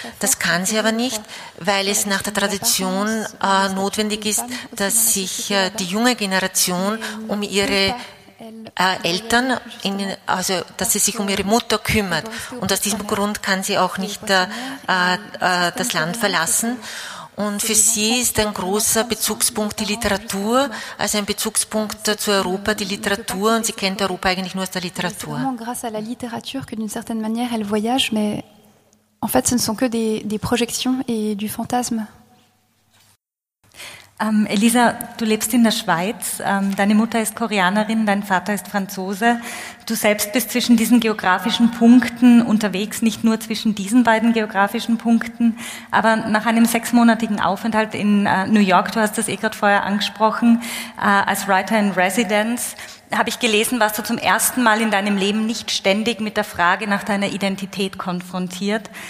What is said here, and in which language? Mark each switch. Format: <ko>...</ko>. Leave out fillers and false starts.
<de>Das kann sie aber nicht, weil es nach der Tradition notwendig ist, dass sich die junge Generation um ihre Eltern, also dass sie sich um ihre Mutter kümmert, und aus diesem Grund kann sie auch nicht das Land verlassen. Und für sie ist ein großer Bezugspunkt die Literatur, also ein Bezugspunkt zu Europa die Literatur, und sie kennt Europa eigentlich nur aus der Literatur.</de> <fr>Grâce à la littérature que d'une certaine manière elle voyage, mais en fait ce ne sont que des projections et du fantasme</fr> <de>Elisa, du lebst in der Schweiz, deine Mutter ist Koreanerin, dein Vater ist Franzose. Du selbst bist zwischen diesen geografischen Punkten unterwegs, nicht nur zwischen diesen beiden geografischen Punkten, aber nach einem 6-monatigen Aufenthalt in New York, du hast das eh gerade vorher angesprochen, als Writer in Residence, habe ich gelesen, warst du zum ersten Mal in deinem Leben nicht ständig mit der Frage nach deiner Identität konfrontiert.</de>